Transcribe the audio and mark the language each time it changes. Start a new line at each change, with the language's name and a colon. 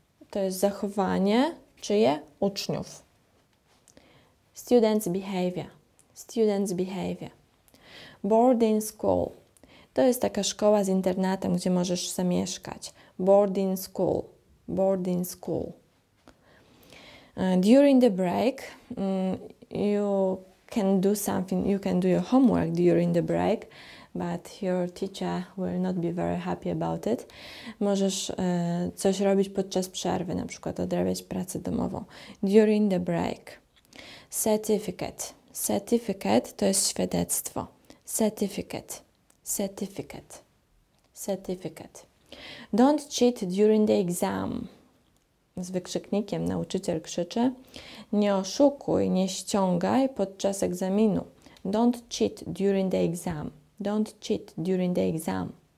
Polish: To jest zachowanie czyje? Uczniów.
English: Students' behavior. Students' behavior. Boarding school.
Polish: To jest taka szkoła z internatem, gdzie możesz zamieszkać.
English: Boarding school. Boarding school. During the break, you can do something, you can do your homework during the break, but your teacher will not be very happy about it.
Polish: Możesz coś robić podczas przerwy, na przykład odrabiać pracę domową.
English: During the break. Certificate. Certificate
Polish: to jest świadectwo.
English: Certificate. Certificate. Certificate. Don't cheat during the exam.
Polish: Z wykrzyknikiem nauczyciel krzyczy. Nie oszukuj, nie ściągaj podczas egzaminu.
English: Don't cheat during the exam. Don't cheat during the exam.